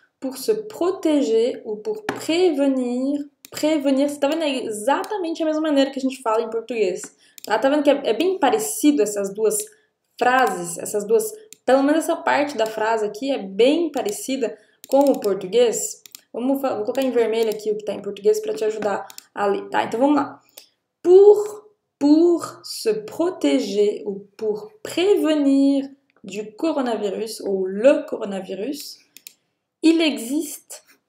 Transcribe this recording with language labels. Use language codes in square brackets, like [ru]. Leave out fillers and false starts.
[fr] Pour se proteger ou pour prévenir. [pt] Prévenir, você tá vendo? É exatamente a mesma maneira que a gente fala em português. Tá vendo que é bem parecido essas duas frases, essas duas, pelo menos essa parte da frase aqui é bem parecida com o português? Vou colocar em vermelho aqui o que está em português para te ajudar a ler, tá? Então vamos lá. [fr] Pour se proteger ou pour prévenir du coronavirus ou le coronavirus, il existe.